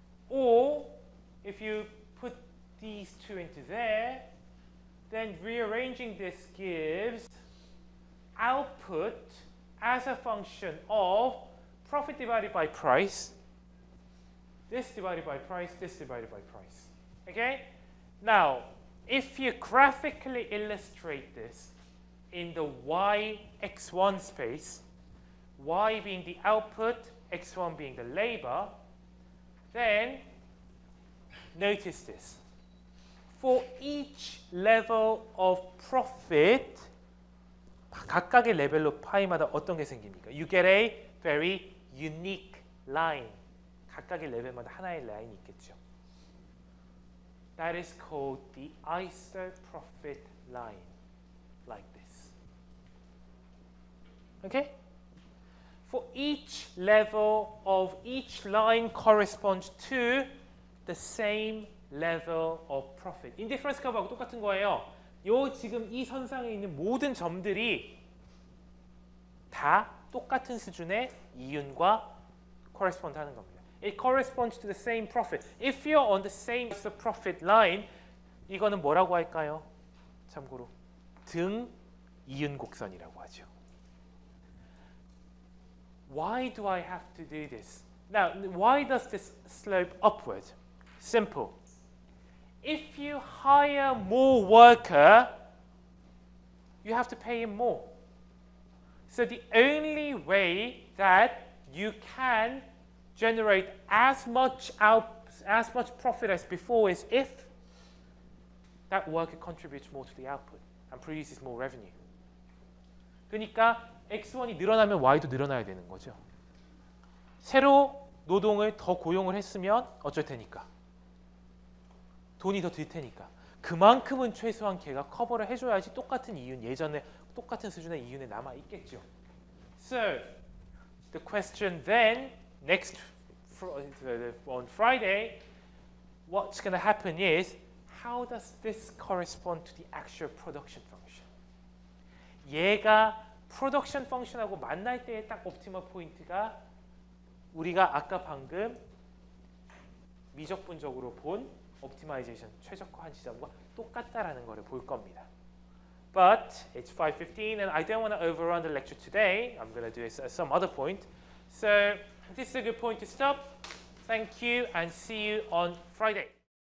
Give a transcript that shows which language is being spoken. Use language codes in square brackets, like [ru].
[en] Or if you put these two into there, then rearranging this gives output as a function of profit divided by price, this divided by price, this divided by price. Okay? Now, if you graphically illustrate this in the YX1 space, Y being the output, X1 being the labor, then notice this. For each level of profit, [ko] 각각의 레벨로 파이마다 어떤 게 생깁니까? [en] You get a very unique line. [ko] 각각의 레벨마다 하나의 라인이 있겠죠. [en] That is called the isoprofit line, like this. Okay? For each level of each line corresponds to the same level of profit. [ko] Indifference curve하고 똑같은 거예요. 요 지금 이 선상에 있는 모든 점들이 다 똑같은 수준의 이윤과 correspond 하는 겁니다. [en] It corresponds to the same profit. If you're on the same as the profit line, [ko] 이거는 뭐라고 할까요? 참고로 등 이윤 곡선이라고 하죠. [en] Why do I have to do this? Now, why does this slope upward? Simple. If you hire more worker, you have to pay him more. So the only way that you can generate as much profit as before is if that worker contributes more to the output and produces more revenue. [ko] 그러니까 X1이 늘어나면 Y도 늘어나야 되는 거죠. 새로 노동을 더 고용을 했으면 어쩔 테니까. 돈이 더 들 테니까. 그만큼은 최소한 걔가 커버를 해줘야지 똑같은 이윤, 예전에 똑같은 수준의 이윤에 남아 있겠죠. [en] So, the question then, next, on Friday, what's going to happen is, how does this correspond to the actual production function? [ko] 얘가 production function하고 만날 때의 딱 optimal point가 우리가 아까 방금 미적분적으로 본 optimization, 최적화한 지점과 똑같다라는 것을 볼 겁니다. [en] But it's 5:15 and I don't want to overrun the lecture today. I'm going to do some other point. So this is a good point to stop. Thank you and see you on Friday.